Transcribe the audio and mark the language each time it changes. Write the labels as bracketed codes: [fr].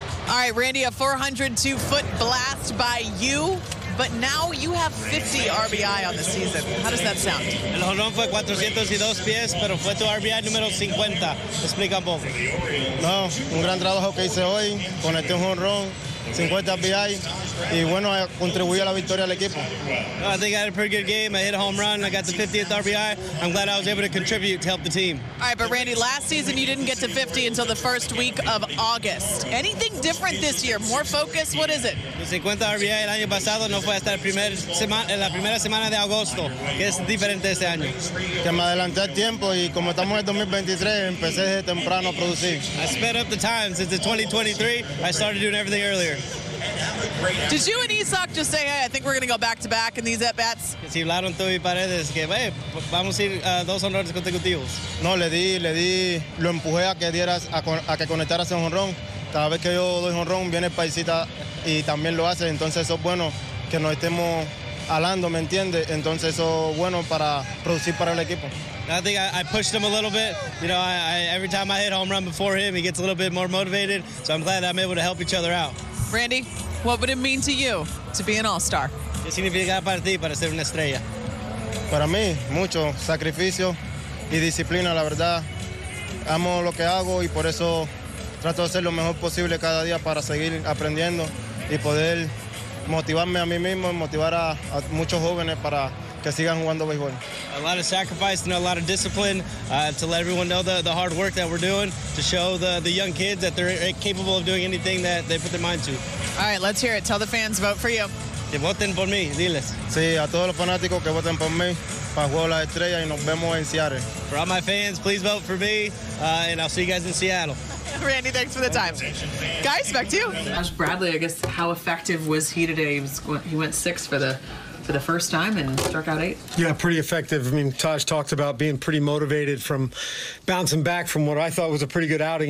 [en] All right, Randy, a 402-foot blast by you, but now you have 50 RBI on the season. How does that sound? [es] El jonrón fue 402 pies, pero fue tu RBI número 50. Explica un poco. No, un gran trabajo que hice hoy, conecté un jonrón. 50 RBI, y bueno, contribuyó a la victoria del equipo. [en] I think I had a pretty good game. I hit a home run. I got the 50th RBI. I'm glad I was able to contribute to help the team. All right, but Randy, last season you didn't get to 50 until the first week of August. Anything different this year? More focus? What is it? [es] 50 RBI el año pasado no fue hasta la primera semana de agosto. ¿Qué es diferente este año? Que me adelanté al tiempo y como estamos en 2023, empecé desde temprano a producir. [en] I sped up the time. Since it's 2023, I started doing everything earlier. Did you and Isak just say, hey, I think we're going to go back-to-back in these at-bats? [es] Si hablaron tú y Paredes, que hey, vamos a ir a dos honrones consecutivos. No, le di, lo empujé a que dieras, a que conectaras un honrón. Cada vez que yo doy honrón, viene el paisita y también lo hace. Entonces, eso es bueno que nos estemos hablando, ¿me entiendes? Entonces, eso es bueno para producir para el equipo. [en] I think I pushed him a little bit. You know, I every time I hit home run before him, he gets a little bit more motivated. So I'm glad I'm able to help each other out. Randy, what would it mean to you to be an all-star? [es] ¿Qué significa para ti para ser una estrella? Para mí, mucho sacrificio y disciplina, la verdad. Amo lo que hago y por eso trato de hacer lo mejor posible cada día para seguir aprendiendo y poder motivarme a mí mismo y motivar a muchos jóvenes para que sigan jugando béisbol. [en] A lot of sacrifice and a lot of discipline to let everyone know the hard work that we're doing to show the young kids that they're capable of doing anything that they put their mind to. All right, let's hear it. Tell the fans, vote for you. [es] Que voten por mí, diles. Sí, a todos los fanáticos que voten por mí para Juego de las Estrellas y nos vemos en Seattle. [en] For all my fans, please vote for me and I'll see you guys in Seattle. Randy, thanks for the time. Guys, back to you. Taj Bradley, I guess, how effective was he today? He went six for the first time and struck out eight. Yeah, pretty effective. I mean, Taj talked about being pretty motivated from bouncing back from what I thought was a pretty good outing.